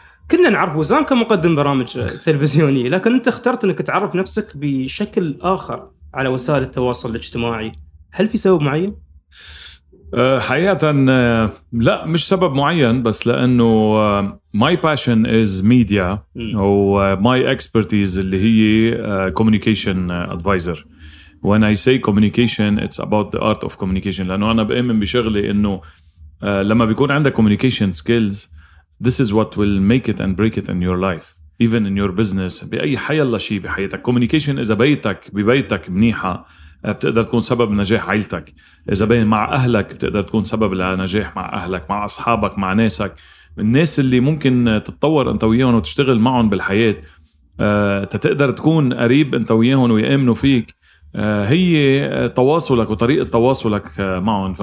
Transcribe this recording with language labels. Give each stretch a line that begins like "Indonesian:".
Arabic: كنا نعرف وسام كمقدم برامج تلفزيونية، لكن أنت اخترت أنك تعرف نفسك بشكل آخر على وسائل التواصل الاجتماعي، هل في سبب معين؟ حقيقة لا، مش سبب معين، بس لأنه
English: my passion is media
Arabic: و
English: my expertise
Arabic: اللي هي
English: communication advisor. When I say communication, it's about the art of communication،
Arabic: لأنه أنا بأمن بشغلي أنه لما بيكون عندك
English: communication skills, this is what will make it and break it in your life, even in your business.
Arabic: بأي حي الله شيء بحياتك، communication إذا بيتك ببيتك منيحة بتقدر تكون سبب نجاح عيلتك، إذا بين مع أهلك بتقدر تكون سبب لنجاح مع أهلك، مع أصحابك، مع ناسك، الناس اللي ممكن تتطور أنت وياهم وتشتغل معهم بالحياة تتقدر تكون قريب أنت وياهم ويأمنوا فيك، هي تواصلك وطريقة تواصلك معهم.